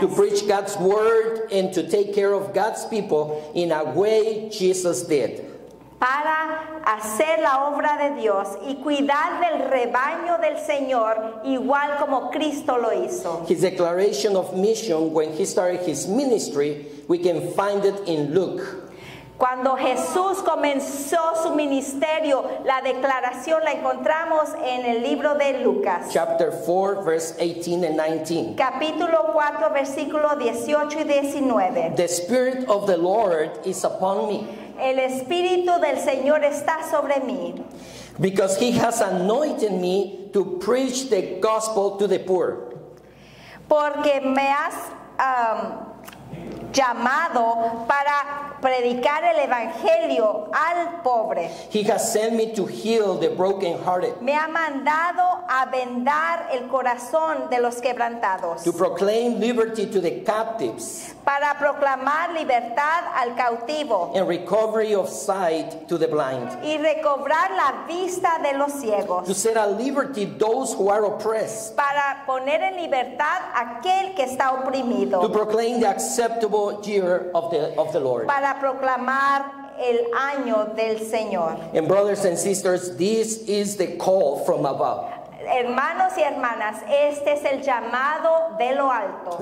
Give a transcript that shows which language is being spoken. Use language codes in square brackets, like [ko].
[en] To preach God's word and to take care of God's people in a way Jesus did. [es] Para hacer la obra de Dios y cuidar del rebaño del Señor igual como Cristo lo hizo. [en] His declaration of mission when he started his ministry, we can find it in Luke. [es] Cuando Jesús comenzó su ministerio, la declaración la encontramos en el libro de Lucas. [en] Chapter 4, verse 18 and 19. [es] Capítulo 4, versículo 18 y 19. [en] The Spirit of the Lord is upon me. [es] El Espíritu del Señor está sobre mí. [en] Because he has anointed me to preach the gospel to the poor. [es] Porque me has llamado para predicar el evangelio al pobre. [en] He has sent me to heal the brokenhearted. [es] Me ha mandado a vendar el corazón de los quebrantados. [en] To proclaim liberty to the captives. [es] Para proclamar libertad al cautivo. [en] And recovery of sight to the blind. [es] Y recobrar la vista de los ciegos. [en] To set at liberty those who are oppressed. [es] Para poner en libertad aquel que está oprimido. [en] To proclaim the acceptable year of the Lord. [es] Para proclamar el año del Señor. [en] And brothers and sisters, this is the call from above. [es] Hermanos y hermanas, este es el llamado de lo alto.